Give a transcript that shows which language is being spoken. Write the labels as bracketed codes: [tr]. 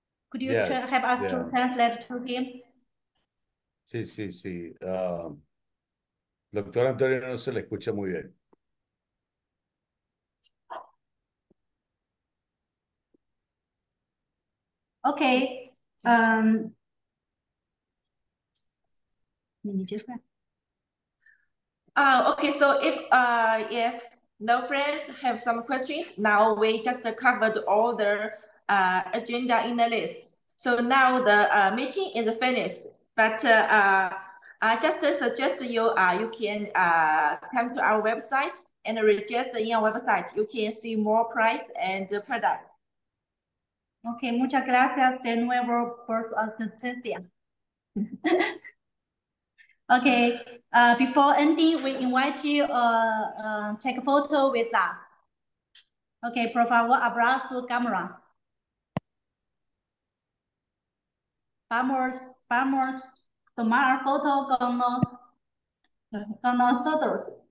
[en] Could you help us to translate to him? [es] Sí, sí, sí. Doctor Antonio, no se le escucha muy bien. Okay. [en] Okay, so if yes, no friends have some questions, now we just covered all the agenda in the list. So now the meeting is finished, but I just suggest you you can come to our website and register in our website. You can see more price and the product. [es] Okay, muchas gracias de nuevo por su asistencia. [en] Okay, before ending, we invite you take a photo with us. [es] Okay, por favor, abra su cámara. Vamos tomar foto con nosotros.